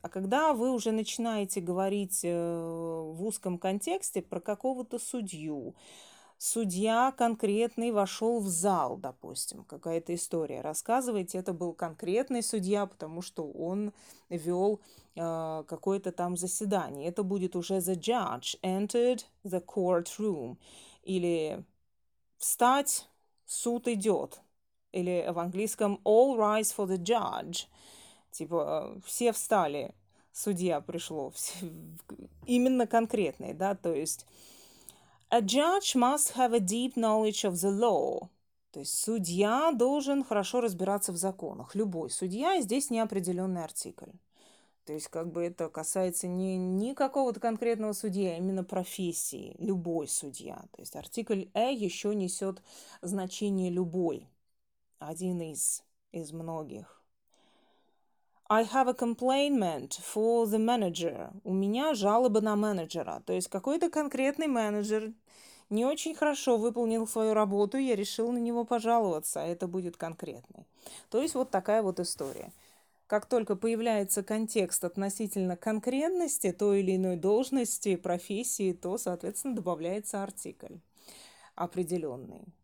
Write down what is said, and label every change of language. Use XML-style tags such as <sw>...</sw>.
<ru>А когда вы уже начинаете говорить в узком контексте про какого-то судью, судья конкретный вошел в зал, допустим, какая-то история. Рассказывайте, это был конкретный судья, потому что он вел какое-то там заседание. Это будет уже</ru> <en>the judge entered the courtroom.</en> <ru>Или встать, суд идет. Или в английском</ru> <en>all rise for the judge.</en> <ru>Типа все встали, судья пришло. Именно конкретный, да, то есть</ru> <en>A judge must have a deep knowledge of the law.</en> <ru>То есть судья должен хорошо разбираться в законах. Любой судья, и здесь неопределенный артикль. То есть как бы это касается не какого-то конкретного судьи, а именно профессии, любой судья. То есть артикль «э» еще несет значение «любой», один из многих.</ru> <en>I have a complaint for the manager.</en> <ru>У меня жалоба на менеджера. То есть какой-то конкретный менеджер не очень хорошо выполнил свою работу, я решил на него пожаловаться, а это будет конкретный. То есть вот такая вот история. Как только появляется контекст относительно конкретности той или иной должности, профессии, то, соответственно, добавляется артикль определенный.</ru>